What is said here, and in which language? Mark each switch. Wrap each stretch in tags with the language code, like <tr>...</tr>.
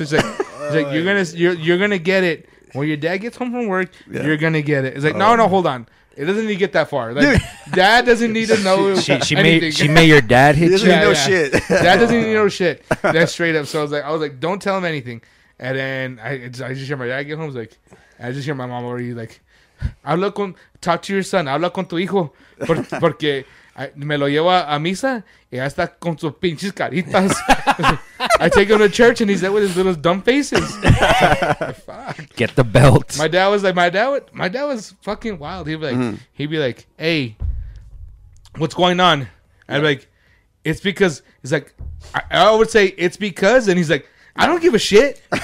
<en>It's like, you're gonna get it. When your dad gets home from work, you're gonna get it. It's like, no, hold on. It doesn't need to get that far. Like, dad doesn't need to know she made your dad hit you. He doesn't need no shit. Dad doesn't need no shit. That's straight up. So I was like, don't tell him anything. And then I just hear my dad get home. I just hear my mom already like, talk to your son.</en> <es>Habla con tu hijo. Porque me lo llevo a misa y hasta con sus pinches caritas.</es> <en>I take him to church and he's there with his little dumb faces. Fuck. Get the belt. My dad was like, my dad was fucking wild. He'd be like, he'd be like, hey, what's going on? And I'd be like, it's because, he's like, I would say it's because, and he's like, I don't give a shit.</en>